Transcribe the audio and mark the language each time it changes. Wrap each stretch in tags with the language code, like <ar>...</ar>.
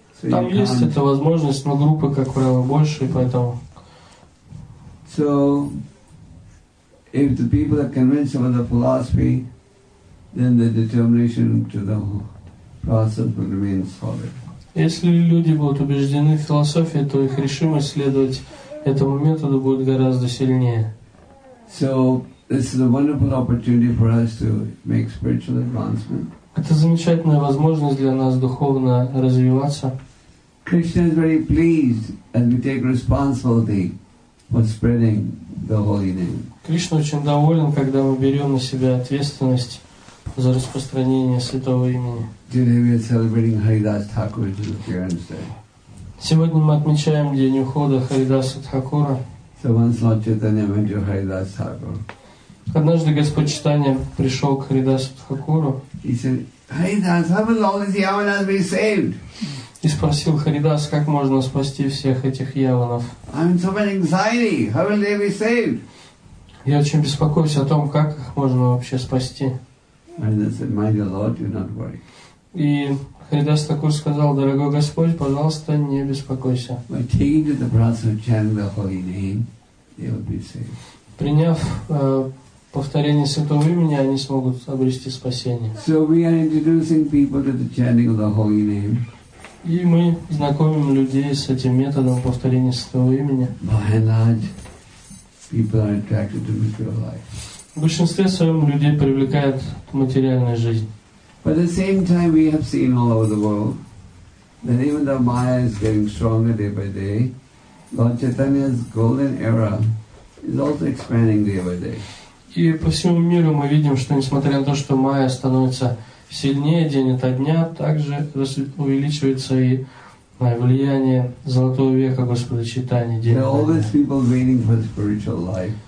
<ru>Там есть эта возможность, но группы, как правило, больше, и поэтому.</ru> <en>So if the people are convinced about the philosophy, then the determination to the process will remain solid.</en> <ru>Если люди будут убеждены в философии, то их решимость следовать этому методу будет гораздо сильнее.</ru> <en>So this is a wonderful opportunity for us to make spiritual advancement.</en> <ru>Это замечательная возможность для нас духовно развиваться.</ru> <en>Krishna is very pleased as we take responsibility for spreading the holy name.</en> <ru>Кришна очень доволен, когда мы берем на себя ответственность за распространение святого имени.</ru> <en>Today we are celebrating Haridas Thakur's appearance day.</en> <ru>Сегодня мы отмечаем день ухода Харидаса Тхакура.</ru> <en>So once Lord Chaitanya went to Haridas Thakur.</en> <ru>Однажды Господь Читания пришел к Харидасу Тхакуру.</ru> <en>He said, Haridas, how will all these yavanas be saved?</en> <ru>И спросил Харидас, как можно спасти всех этих яванов?</ru> <en>I'm in so much anxiety. How will they be saved?</en> <ru>Я очень беспокоюсь о том, как их можно вообще спасти.</ru> <en>And they said, my dear Lord, do not worry.</en> <ru>И Харидас Такур сказал, дорогой Господь, пожалуйста, не беспокойся.</ru> <en>By taking to the process of chanting the holy name, they will be saved.</en> <ru>Приняв повторение святого имени, они смогут обрести спасение.</ru> <en>So we are introducing people to the chanting of the holy name.</en> <ru>И мы знакомим людей с этим методом повторения святого имени.</ru> <en>By and large, people are attracted to material life.</en> <ru>В большинстве своем людей привлекает материальная жизнь.</ru> <en>But at the same time, we have seen all over the world that even though Maya is getting stronger day by day, Lord Chaitanya's golden era is also expanding day by day.</en> <ru>И по всему миру мы видим, что несмотря на то, что Майя становится сильнее день ото дня, также увеличивается и влияние Золотого века Господа Чайтаньи день.</ru> <en>There are always people waiting for spiritual life.</en>